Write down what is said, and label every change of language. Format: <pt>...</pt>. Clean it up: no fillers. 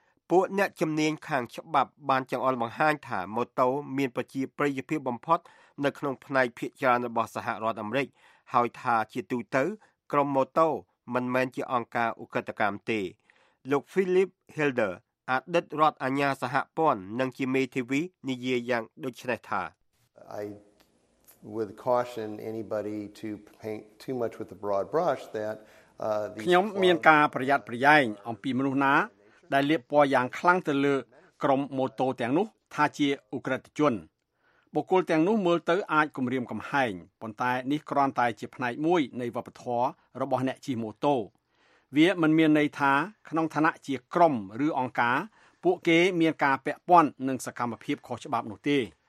<km>ពួកអ្នកជំនាញខាងច្បាប់បានចង្អុលបង្ហាញថាម៉ូតូមានប្រជាប្រិយភាពបំផុតនៅក្នុងផ្នែកភាគច្រើនរបស់សហរដ្ឋអាមេរិកហើយថាជាទូទៅក្រុមម៉ូតូមិនមែនជាអង្គការឧក្រិដ្ឋកម្មទេលោក Philip Hilder អតីតរដ្ឋអាជ្ញាសហព័ន្ធនិងជាមេធាវីនិយាយយ៉ាងដូចនេះថា</km> <en>I would caution anybody to paint too much with a broad brush that</en> <km>ខ្ញុំមានការប្រយ័ត្នប្រយែងអំពីមនុស្សណាដែលលាបពណ៌យ៉ាងខ្លាំងទៅលើក្រុមម៉ូតូទាំងនោះថាជាឧក្រិដ្ឋជនបុគ្គលទាំងនោះមើលទៅអាចគំរាមកំហែងប៉ុន្តែនេះគ្រាន់តែជាផ្នែកមួយនៃវប្បធម៌របស់អ្នកជិះម៉ូតូវាមិនមានន័យថាក្នុងឋានៈជាក្រុមឬអង្គការពួកគេមានការពាក់ព័ន្ធនឹងសកម្មភាពខុសច្បាប់នោះទេ</km>